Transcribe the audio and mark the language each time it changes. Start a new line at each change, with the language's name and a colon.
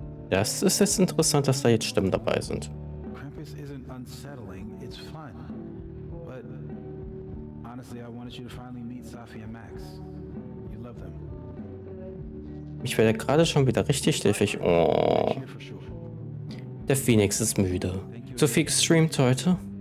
German: Das ist jetzt interessant, dass da jetzt Stimmen dabei sind.
English: Krampus isn't unsettling, it's fun. But honestly, I wanted you to finally meet Sophie and Max. You love them.
German: Ich werde gerade schon wieder richtig schläfrig. Oh. Der Phoenix ist müde. Zu viel gestreamt heute.